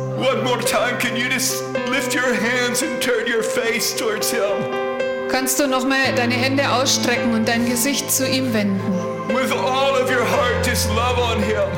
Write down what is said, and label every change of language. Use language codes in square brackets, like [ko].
[en] One more time, can you just lift your hands and turn your face towards him? [de] Kannst du noch mal deine Hände ausstrecken und dein Gesicht zu ihm wenden? [en] With all of your heart, just love on him.